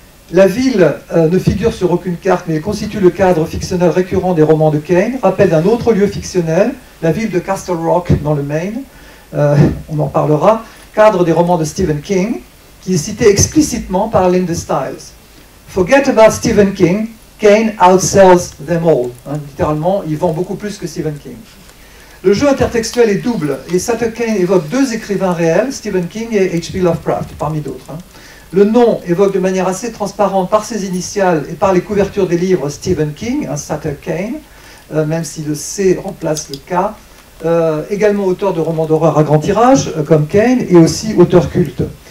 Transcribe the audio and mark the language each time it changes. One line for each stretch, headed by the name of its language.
French: La ville ne figure sur aucune carte, mais constitue le cadre fictionnel récurrent des romans de Kane, rappel d'un autre lieu fictionnel, la ville de Castle Rock, dans le Maine, on en parlera, cadre des romans de Stephen King, qui est cité explicitement par Linda Stiles.
English: Forget about Stephen King, Kane outsells them all.
French: Hein, littéralement, il vend beaucoup plus que Stephen King. Le jeu intertextuel est double, et Sutter Kane évoque deux écrivains réels, Stephen King et H.P. Lovecraft, parmi d'autres. Hein. Le nom évoque de manière assez transparente par ses initiales et par les couvertures des livres Stephen King, un Sutter Kane, même si le C remplace le K, également auteur de romans d'horreur à grand tirage, comme Kane, et aussi auteur culte.